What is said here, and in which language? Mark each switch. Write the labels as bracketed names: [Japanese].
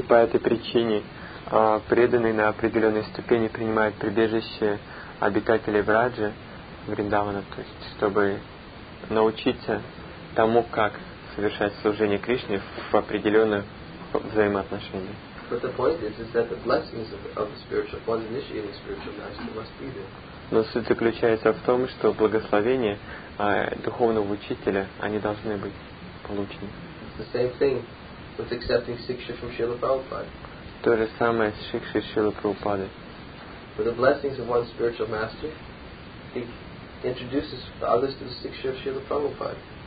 [Russian] по этой причине преданный на определенной ступени принимает прибежище обитателей Враджа, Вриндавана, то есть чтобы научиться тому, как совершать служение Кришне в определенных взаимоотношениях. [English] But the point is that the blessings of the spiritual, one's initiating spiritual master must be there. [Russian] Но суть заключается в том, что благословения духовного учителя, они должны быть получены. [English] It's the same thing with accepting siksha from Srila Prabhupada. [Russian] То же самое с шикшей Шрилы Прабхупады. [English] With the blessings of one's spiritual master, he introduces others to the siksha of Srila Prabhupada.